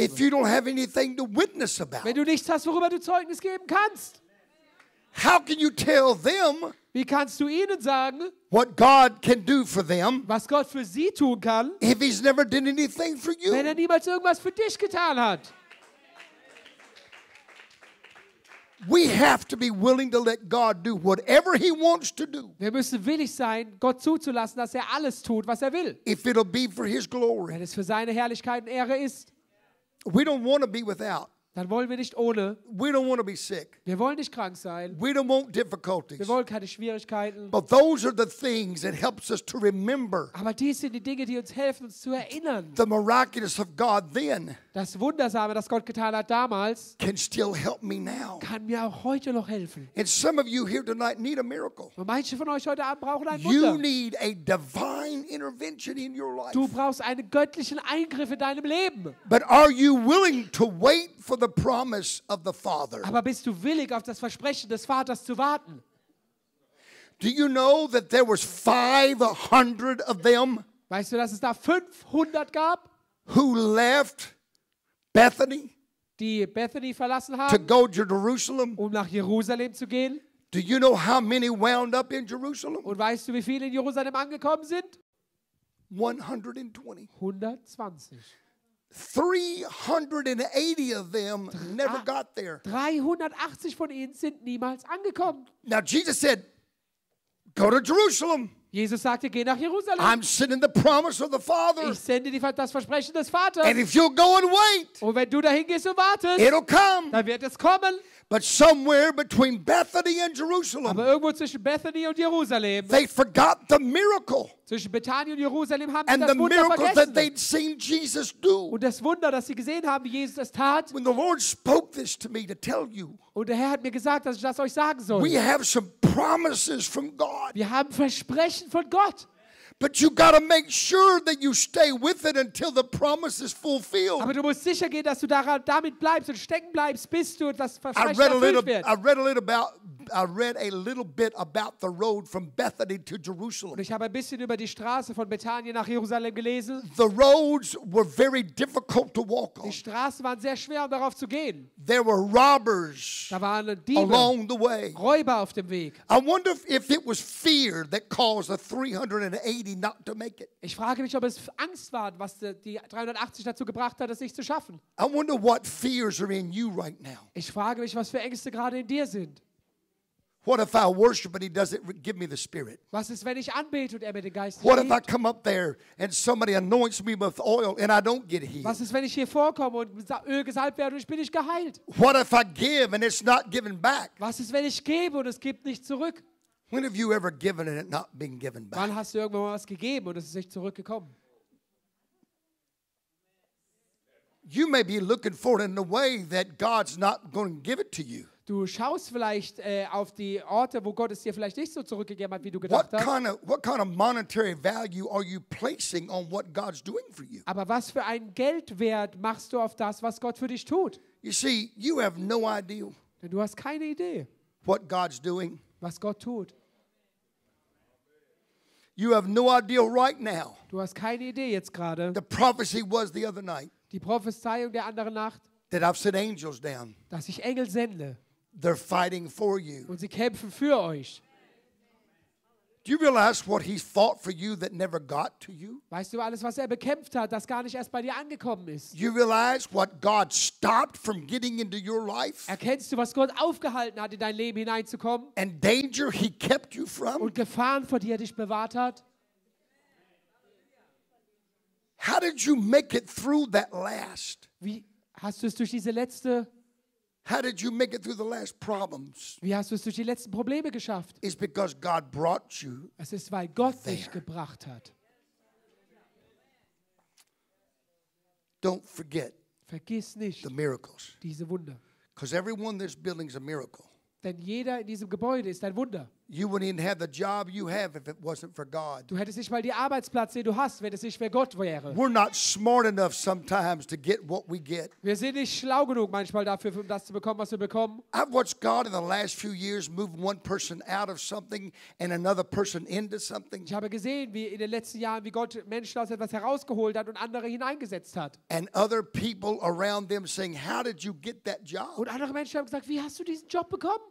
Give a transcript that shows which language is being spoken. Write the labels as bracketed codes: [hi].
[en] If you don't have anything to witness about. [de] Wenn du nichts hast, worüber du Zeugnis geben kannst. [en] How can you tell them? [de] Wie kannst du ihnen sagen, [en] what God can do for them, [de] was Gott für sie tun kann, [en] if he's never done anything for you, [de] wenn er niemals irgendwas für dich getan hat? [en] We have to be willing to let God do whatever he wants to do. [de] Wir müssen willig sein, Gott zuzulassen, dass er alles tut, was er will. [en] If it'll be for his glory. [de] Wenn es für seine Herrlichkeit und Ehre ist. [en] We don't want to be without. [de] Dann wollen wir nicht ohne. [en] We don't want to be sick. [de] Wir wollen nicht krank sein. [en] We don't want difficulties. [de] Wir wollen keine Schwierigkeiten. [en] But those are the things that helps us to remember. [de] Aber dies sind die Dinge, die uns helfen, uns zu erinnern. [en] The miraculous of God then. [de] Das Wundersame, das Gott getan hat damals, [en] can still help me now. [de] Kann mir auch heute noch helfen. [en] And some of you here tonight need a miracle. [de] Und manche von euch heute Abend brauchen ein Wunder. [en] You need a divine intervention in your life. [de] Du brauchst einen göttlichen Eingriff in deinem Leben. [en] But are you willing to wait for the promise of the Father? [de] Aber bist du willig, auf das Versprechen des Vaters zu warten? [en] Do you know that there was 500 of them? [de] Weißt du, dass es da 500 gab? [en] Who left Bethany? [de] Die Bethany verlassen haben. [en] To go to Jerusalem? [de] Um nach Jerusalem zu gehen. [en] Do you know how many wound up in Jerusalem? [de] Und weißt du, wie viele in Jerusalem angekommen sind? [en] 120. [de] 120. [en] 380 of them never got there. [de] 380 von ihnen sind niemals angekommen. [en] Now Jesus said, go to Jerusalem. [de] Jesus sagte, geh nach Jerusalem. [en] I'm sending the promise of the Father. [de] Ich sende dir das Versprechen des Vaters. [en] And if you'll go and wait, [de] und wenn du dahin gehst und wartest, [en] it'll come. [de] Dann wird es kommen. [en] But somewhere between Bethany and Jerusalem, [de] aber irgendwo zwischen Bethany und Jerusalem, [en] they forgot the miracle. [de] Zwischen Bethany und Jerusalem haben [en] and [de] sie das [en] the [de] Wunder [en] miracle [de] vergessen. [en] That they'd seen Jesus do. [de] Und das Wunder, das sie gesehen haben, wie Jesus das tat. [en] When the Lord spoke this to me to tell you, [de] und der Herr hat mir gesagt, dass ich das euch sagen soll. [en] We have some promises from God. [de] Wir haben Versprechen von Gott. [en] But you got to make sure that you stay with it until the promise is fulfilled. [de] Aber du musst sicher gehen, dass du daran damit bleibst und stecken bleibst, bis du das Versprechen erfüllt wird. [en] I read a little bit about the road from Bethany to Jerusalem. [de] Ich habe ein bisschen über die Straße von Bethanien nach Jerusalem gelesen. [en] The roads were very difficult to walk on. [de] Die Straßen waren sehr schwer, um darauf zu gehen. [en] There were robbers. [de] Da waren Diebe. [en] Along the way. [de] Räuber auf dem Weg. [en] I wonder if it was fear that caused the 380 not to make it. [de] Ich frage mich, ob es Angst war, was die 380 dazu gebracht hat, es nicht zu schaffen. [en] I wonder what fears are in you right now. [de] Ich frage mich, was für Ängste gerade in dir sind. [en] What if I worship and he doesn't give me the Spirit? [de] Was ist, wenn ich anbete und er mir den Geist gibt? [en] What if I come up there and somebody anoints me with oil and I don't get healed? [de] Was ist, wenn ich hier vorkomme und Öl gesalbt werde und ich bin nicht geheilt? [en] What if I give and it's not given back? [de] Was ist, wenn ich gebe und es gibt nicht zurück? [en] When have you ever given and it not been given back? [de] Wann hast du irgendwann was gegeben und es ist nicht zurückgekommen? [en] You may be looking for it in a way that God's not going to give it to you. [de] Du schaust vielleicht auf die Orte, wo Gott es dir vielleicht nicht so zurückgegeben hat, wie du gedacht hast. [en] What kind of monetary value are you placing on what God's doing for you? [de] Aber was für einen Geldwert machst du auf das, was Gott für dich tut? [en] You see, you have no idea. [de] Du hast keine Idee. [en] What God's doing. [de] Was Gott tut. [en] You have no idea right now. [de] Du hast keine Idee jetzt gerade. [en] The prophecy was the other night. [de] Die Prophezeiung der anderen Nacht. [en] That I've sent angels down. [de] Dass ich Engel sende. [en] They're fighting for you. [de] Und sie kämpfen für euch. [en] Do you realize what he fought for you that never got to you? [de] Weißt du alles, was er bekämpft hat, das gar nicht erst bei dir angekommen ist? [en] You realize what God stopped from getting into your life? [de] Erkennst du, was Gott aufgehalten hat, in dein Leben hineinzukommen? [en] And danger he kept you from? [de] Und Gefahren, vor die er dich bewahrt hat? [en] How did you make it through that last? [de] Wie hast du es durch diese letzte? [en] How did you make it through the last problems? [de] Wie hast du es durch die letzten Probleme geschafft? [en] It's because God brought you. [de] Es ist, weil Gott dich gebracht hat. [en] Don't forget. [de] Vergiss nicht. [en] The miracles. [de] Diese Wunder. [en] Because everyone in this building is a miracle. [de] Denn jeder in diesem Gebäude ist ein Wunder. [en] You wouldn't even have the job you have if it wasn't for God. [de] Du hättest nicht mal die Arbeitsplätze, die du hast, wenn es nicht für Gott wäre. [en] We're not smart enough sometimes to get what we get. [de] Wir sind nicht schlau genug manchmal dafür, um das zu bekommen, was wir bekommen. [en] I've watched God in the last few years move one person out of something and another person into something. [de] Ich habe gesehen, wie in den letzten Jahren, wie Gott Menschen aus etwas herausgeholt hat und andere hineingesetzt hat. [en] And other people around them saying, "How did you get that job?" [de] Und andere Menschen haben gesagt, wie hast du diesen Job bekommen?